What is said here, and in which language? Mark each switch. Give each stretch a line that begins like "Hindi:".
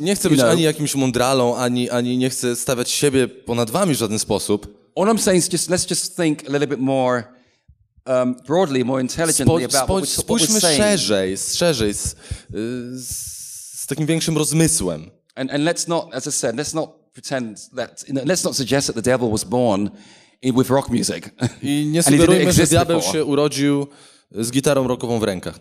Polish: Nie chcę być ani jakimś mądralą, ani nie chcę stawiać siebie ponad wami w żaden sposób.
English: What I'm saying is just, let's just think a little bit more broadly, more intelligently about what we're saying.
Polish: Szerzej, z takim większym rozmysłem.
English: And let's not, as I said, let's not pretend that, you know, let's not suggest that the devil was born with rock music.
Polish: I nie sugerujmy, że diabeł się urodził z gitarą rockową w rękach.